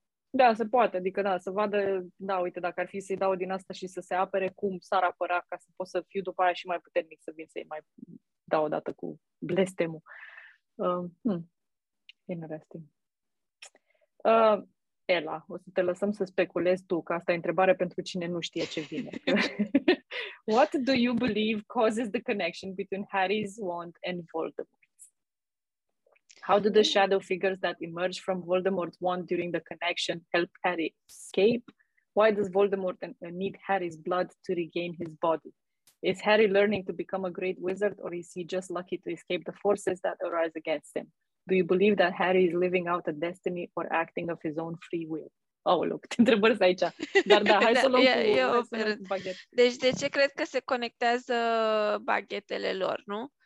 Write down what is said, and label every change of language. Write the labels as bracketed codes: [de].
[ro] Da, se poate, adică da, să vadă, da, uite, dacă ar fi să-i dau din asta și să se apere, cum s-ar apăra ca să pot să fiu după aia și mai puternic să vin să-i mai dau o dată cu blestemul. [en] Interesting. [ro] Ela, o să te lăsăm să speculezi tu, că asta e întrebare pentru cine nu știe ce vine. [en] What do you believe causes the connection between Harry's wand and Voldemort? How do the shadow figures that emerge from Voldemort's wand during the connection help Harry escape? Why does Voldemort need Harry's blood to regain his body? Is Harry learning to become a great wizard, or is he just lucky to escape the forces that arise against him? Do you believe that Harry is living out a destiny or acting of his own free will? Oh, look, [ro] te întrebări să aici. Dar da, hai să luăm baghetele. Deci de ce cred că se conectează baghetele lor, nu?